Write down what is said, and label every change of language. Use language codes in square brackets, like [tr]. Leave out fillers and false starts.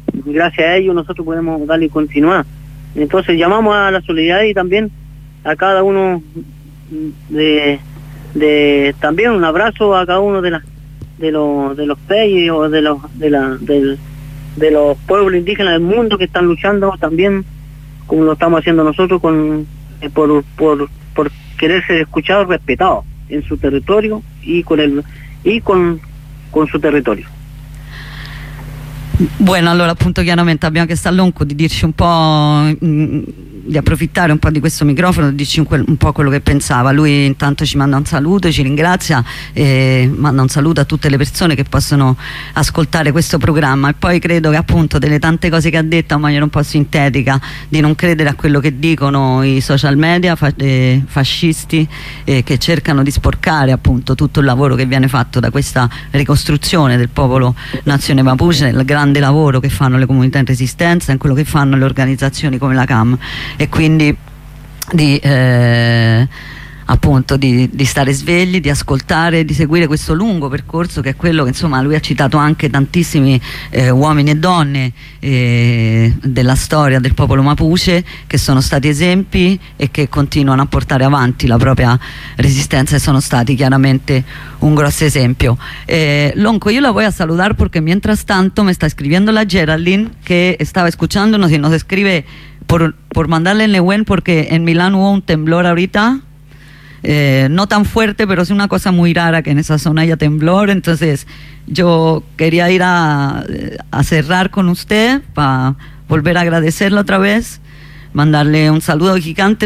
[es] Gracias a ellos nosotros podemos darle y continuar. Entonces llamamos a la solidaridad y también a cada uno de también un abrazo a cada uno de los peyes o de los pueblos indígenas del mundo que están luchando también, como lo estamos haciendo nosotros, por querer ser escuchados, respetados en su territorio y con su territorio. [it] Bueno, allora appunto chiaramente abbiamo chiesto all'Onco di dirci un po', di approfittare un po' di questo microfono, di dirci un po' quello che pensava. Lui intanto ci manda un saluto, ci ringrazia, manda un saluto a tutte le persone che possono ascoltare questo programma. E poi credo che appunto delle tante cose che ha detto in maniera un po' sintetica, di non credere a quello che dicono i social media fascisti che cercano di sporcare appunto tutto il lavoro che viene fatto da questa ricostruzione del popolo Nazione Mapuche, il grande lavoro che fanno le comunità in resistenza e quello che fanno le organizzazioni come la CAM. E quindi di stare svegli, di ascoltare, di seguire questo lungo percorso che è quello che, insomma, lui ha citato anche tantissimi uomini e donne della storia del popolo Mapuche che sono stati esempi e che continuano a portare avanti la propria resistenza e sono stati chiaramente un grosso esempio. [es] Lonco, io la voy a saludar porque mientras tanto me está escribiendo la Geraldine que estaba escuchándonos y nos escribe por mandarle el Nehuen porque en Milán hubo un temblor ahorita. No tan fuerte, pero es una cosa muy rara que en esa zona haya temblor. Entonces yo quería ir a cerrar con usted para volver a agradecerle otra vez, mandarle un saludo gigante.